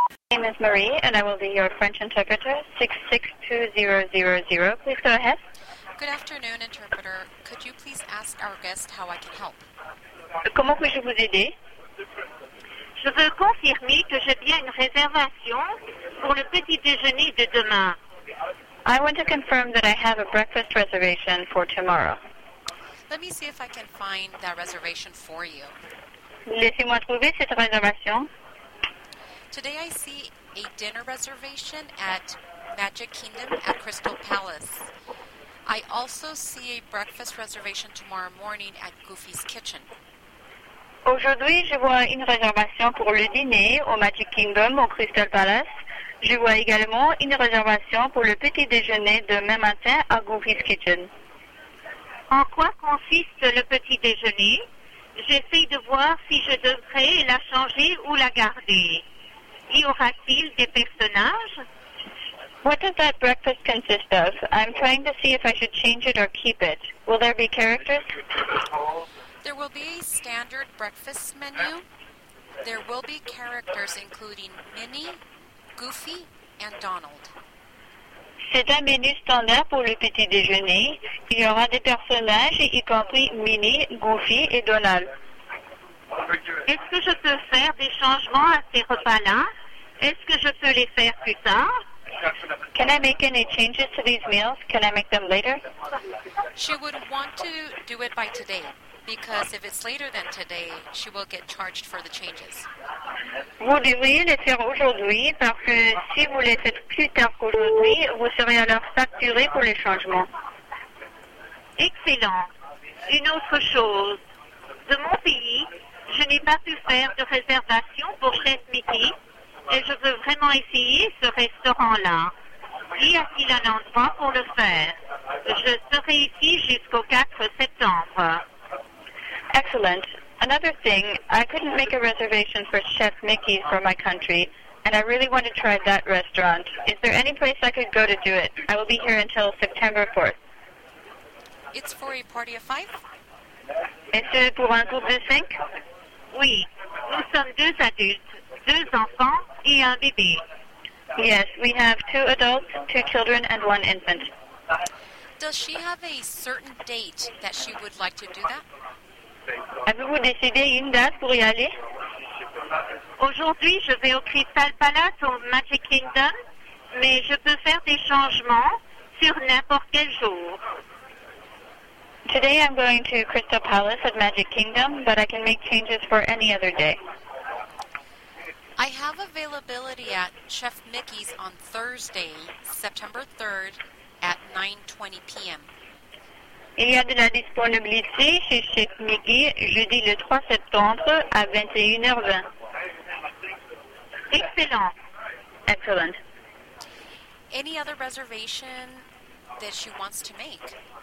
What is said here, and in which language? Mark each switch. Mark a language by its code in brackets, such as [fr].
[en] name is Marie, and I will be your French interpreter, 662000. Please go ahead. Good afternoon, interpreter. Could you please ask our guest how I can help? [fr] Comment puis-je vous aider? Je veux confirmer que j'ai bien une réservation pour le petit déjeuner de demain. [en] I want to confirm that I have a breakfast reservation for tomorrow. Let me see if I can find that reservation for you. [fr] Laissez-moi trouver cette réservation. [en] Today I see a dinner reservation at Magic Kingdom at Crystal Palace. I also see a breakfast reservation tomorrow morning at Goofy's Kitchen. [fr] Aujourd'hui, je vois une réservation pour le dîner au Magic Kingdom au Crystal Palace. Je vois également une réservation pour le petit déjeuner demain matin à Goofy's Kitchen. En quoi consiste le petit déjeuner? J'essaie de voir si je devrais la changer ou la garder. Y aura-t-il des personnages? [en] What does that breakfast consist of? I'm trying to see if I should change it or keep it. Will there be characters? There will be a standard breakfast menu. There will be characters including Minnie, Goofy, and Donald. [fr] C'est un menu standard pour le petit déjeuner. Il y aura des personnages, y compris Minnie, Goofy et Donald. Est-ce que je peux faire des changements à ces repas-là? Est-ce que je peux les faire plus tard? [en] Can I make any changes to these meals? Can I make them later? She would want to do it by today, because if it's later than today, she will get charged for the changes. [fr] Vous devriez les faire aujourd'hui, parce que si vous les faites plus tard qu'aujourd'hui, vous serez alors facturé pour les changements. Excellent. Une autre chose. De mon pays, je n'ai pas pu faire de réservation pour chef midi, et je veux vraiment essayer ce restaurant-là. Y a-t-il un endroit pour le faire? Je serai ici jusqu'au 4 septembre. Excellent. [en] Another thing, I couldn't make a reservation for Chef Mickey for my country, and I really want to try that restaurant. Is there any place I could go to do it? I will be here until September 4th. It's for a party of five? [fr] Est-ce pour un groupe de cinq? Oui. Nous sommes deux adultes, deux enfants et un bébé. [en] Yes, we have two adults, two children, and one infant. Does she have a certain date that she would like to do that? [fr] Avez-vous décidé une date pour y aller? Aujourd'hui, je vais au Crystal Palace au Magic Kingdom, mais je peux faire des changements sur n'importe quel jour. [en] Today I'm going to Crystal Palace at Magic Kingdom, but I can make changes for any other day. I have availability at Chef Mickey's on Thursday, September 3rd at 9:20 p.m. [fr] Il y a de la disponibilité chez Chef Mickey jeudi le 3 septembre à 21h20. Excellent. [en] Excellent. Any other reservation that she wants to make?